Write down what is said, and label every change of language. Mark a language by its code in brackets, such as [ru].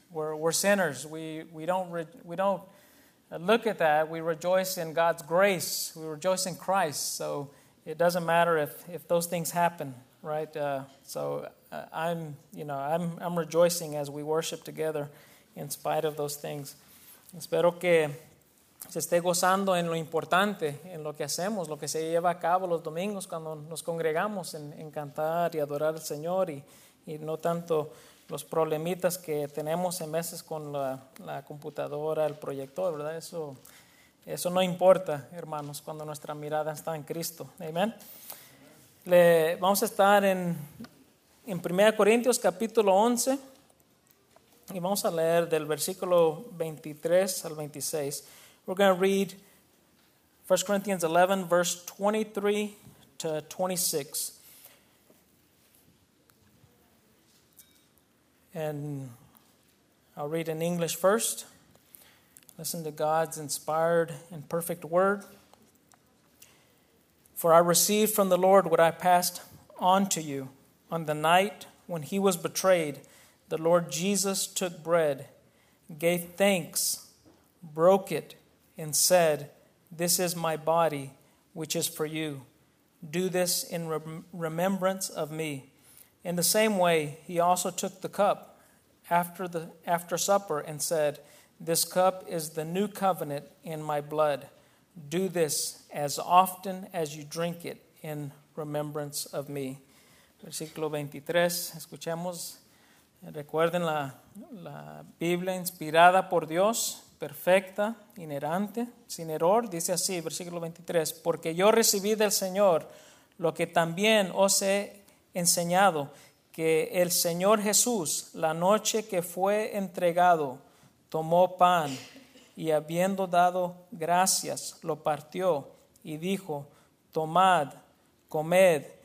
[en] We're sinners. We don't look at that. We rejoice in God's grace. We rejoice in Christ. So it doesn't matter if those things happen, right? So I'm rejoicing as we worship together in spite of those things. [es] Espero que se esté gozando en lo importante, en lo que hacemos, lo que se lleva a cabo los domingos cuando nos congregamos en cantar y adorar al Señor y no tanto los problemitas que tenemos en veces con la computadora, el proyector, ¿verdad? Eso no importa, hermanos, cuando nuestra mirada está en Cristo. Amén. Vamos a estar en 1 Corintios capítulo 11 y vamos a leer del versículo 23 al 26. [en] We're going to read 1 Corinthians 11, verse 23-26. And I'll read in English first. Listen to God's inspired and perfect word. For I received from the Lord what I passed on to you. On the night when he was betrayed, the Lord Jesus took bread, gave thanks, broke it, and said, "This is my body, which is for you. Do this in remembrance of me." In the same way, he also took the cup after supper and said, "This cup is the new covenant in my blood. Do this as often as you drink it in remembrance of me." [es] Versículo 23, escuchemos. Recuerden la Biblia inspirada por Dios. Perfecta, inerrante, sin error, dice así, versículo 23, porque yo recibí del Señor lo que también os he enseñado, que el Señor Jesús, la noche que fue entregado, tomó pan y habiendo dado gracias, lo partió y dijo, tomad, comed,